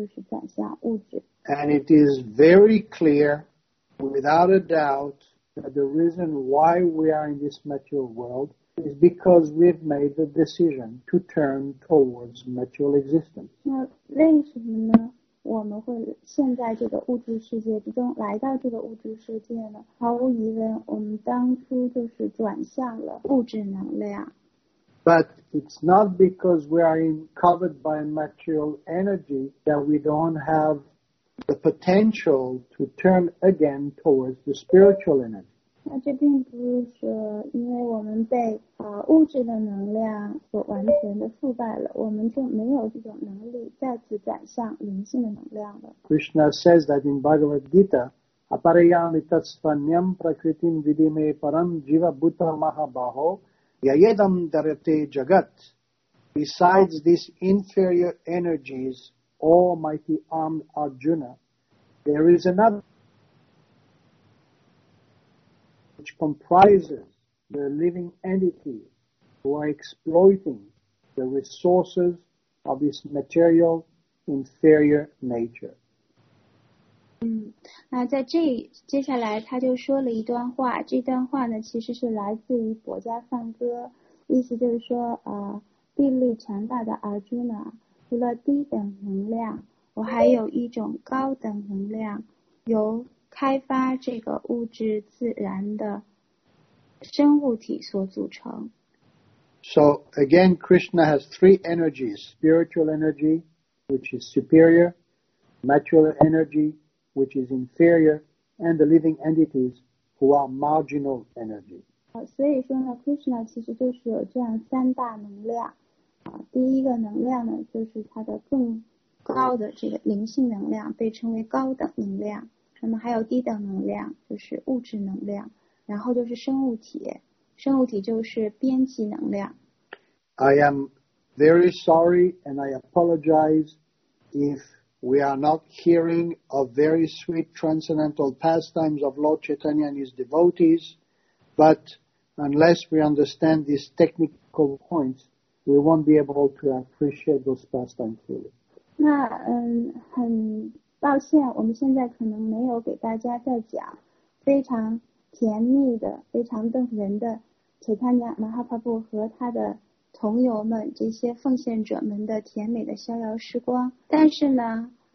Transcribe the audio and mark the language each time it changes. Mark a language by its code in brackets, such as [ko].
[en] And it is very clear, without a doubt, that the reason why we are in this material world is because we've made the decision to turn towards material existence. [zh] 那为什么呢？我们会现在这个物质世界之中来到这个物质世界呢，毫无疑问我们当初就是转向了物质能量。 [en] But it's not because we are covered by material energy that we don't have the potential to turn again towards the spiritual energy. [zh] 那这并不是因为我们被物质的能量所完全的覆盖了，我们就没有这种能力再次转向灵性的能量了。 [en] Krishna says that in Bhagavad Gita, [sa] aparayani tasvanyam prakritim vidime param jiva bhuta mahabaho,Yayedam darate jagat. [en] Besides these inferior energies, almighty armed Arjuna, there is another which comprises the living entities who are exploiting the resources of this material inferior nature. [zh] 那在这接下来他就说了一段话，这段话呢其实是来自于薄伽梵歌，意思就是说地力强大的阿朱呢，除了低等能量，我还有一种高等能量，由开发这个物质自然的生物体所组成。 [en] So again, Krishna has three energies, spiritual energy, which is superior, material energyWhich is inferior, and the living entities who are marginal energy. [zh] 所以说呢 ，Krishna 其实就是有这样三大能量。第一个能量呢，就是它的更高的这个灵性能量，被称为高等能量。那么还有低等能量，就是物质能量。然后就是生物体，生物体就是边际能量。 [en] I am very sorry, and I apologize if. We are not hearing of very sweet transcendental pastimes of Lord Chaitanya and his devotees, but unless we understand these technical points, we won't be able to appreciate those pastimes fully. [zh] 那很抱歉，我们现在可能没有给大家再讲非常甜蜜的、非常动人的 Chaitanya Mahaprabhu 和他的同友们这些奉献者们的甜美的逍遥时光，但是呢